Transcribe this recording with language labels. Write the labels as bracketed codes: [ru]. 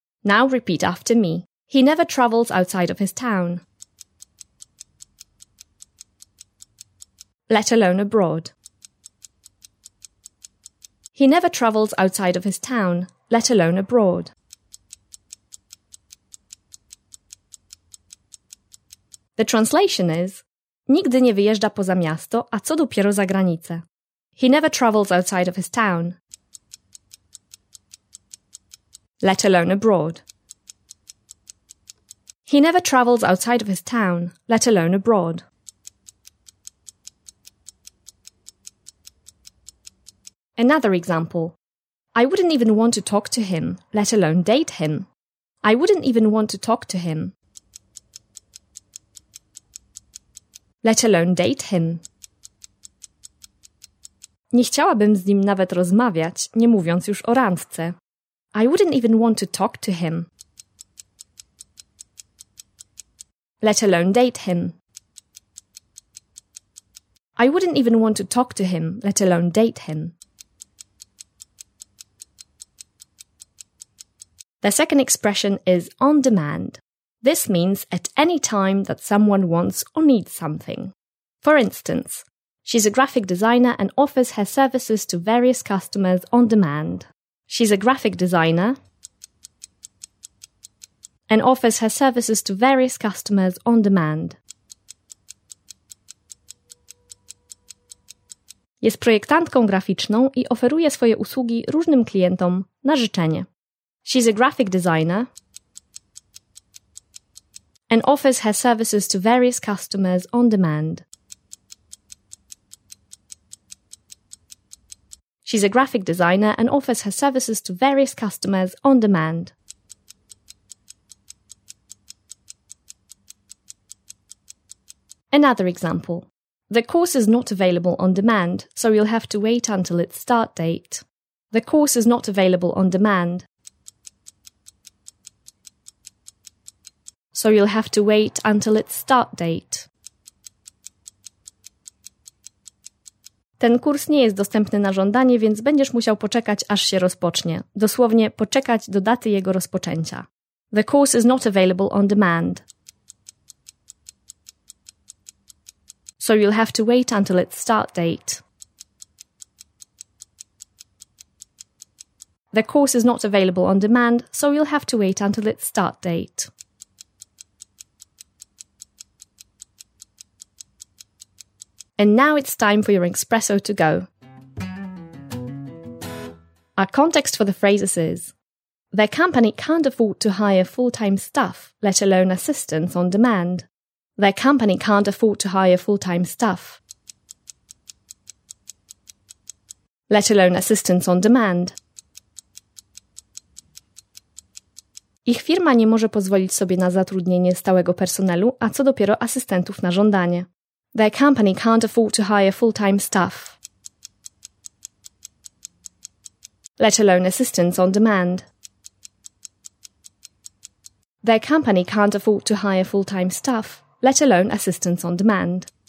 [en] Now repeat after me. He never travels outside of his town, let alone abroad. He never travels outside of his town, let alone abroad. The translation is: [pl] nigdy nie wyjeżdża poza miasto, a co dopiero za granicę. [en] He never travels outside of his town, let alone abroad. He never travels outside of his town, let alone abroad. Another example. I wouldn't even want to talk to him, let alone date him. I wouldn't even want to talk to him, let alone date him. [pl] Nie chciałabym z nim nawet rozmawiać, nie mówiąc już o randce. [en] I wouldn't even want to talk to him, let alone date him. I wouldn't even want to talk to him, let alone date him. The second expression is on demand. This means at any time that someone wants or needs something. For instance, she's a graphic designer and offers her services to various customers on demand. She's a graphic designer and offers her services to various customers on demand. [pl] Jest projektantką graficzną i oferuje swoje usługi różnym klientom na życzenie. [en] She's a graphic designer and offers her services to various customers on demand. She's a graphic designer and offers her services to various customers on demand. Another example. The course is not available on demand, so you'll have to wait until its start date. The course is not available on demand, so you'll have to wait until its start date. [pl] Ten kurs nie jest dostępny na żądanie, więc będziesz musiał poczekać, aż się rozpocznie. Dosłownie, poczekać do daty jego rozpoczęcia. [en] The course is not available on demand, so you'll have to wait until its start date. The course is not available on demand, so you'll have to wait until its start date. And now it's time for your espresso to go. Our context for the phrases is: their company can't afford to hire full-time staff, let alone assistants on demand. Their company can't afford to hire full-time staff, let alone assistants on demand. [pl] Ich firma nie może pozwolić sobie na zatrudnienie stałego personelu, a co dopiero asystentów na żądanie. [en] Their company can't afford to hire full-time staff, let alone assistants on demand. Their company can't afford to hire full-time staff, let alone assistants on demand.